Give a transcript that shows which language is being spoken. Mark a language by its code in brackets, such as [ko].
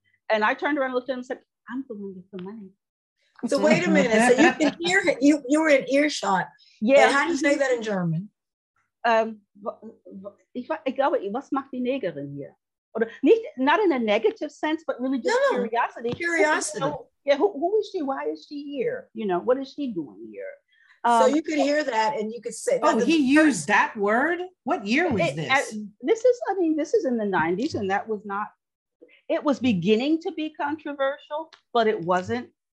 [en] And I turned around and looked at him and said, I'm the one with the money. So wait a minute. So you can hear him. You were in earshot. Yeah. How do you say that in German? [de] Was macht die Negerin hier? [en] Or nicht, not in a negative sense, but really just curiosity. Curiosity. Who is she? Why is she here? You know, what is she doing here? So you could hear that and you could say. Oh, he used that word? What year was this? This is in the 90s, and that was not, it was beginning to be controversial, but it wasn't.